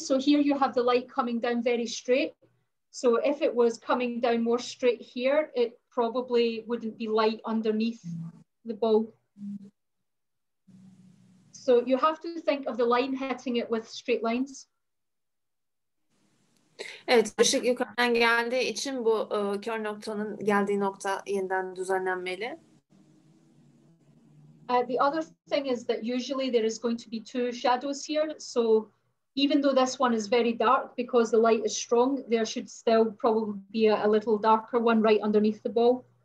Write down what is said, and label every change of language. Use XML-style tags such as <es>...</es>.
<en>So here you have the light coming down very straight. So if it was coming down more straight here, it probably wouldn't be light underneath the ball. So you have to think of the line hitting it with straight lines.</en> <tr>Evet, ışık yukarıdan geldiği için bu kör noktanın geldiği nokta yeniden düzenlenmeli.</tr> <en>The other thing is that usually there is going to be two shadows here. So even though this one is very dark because the light is strong, there should still probably be a little darker one right underneath the ball.</en>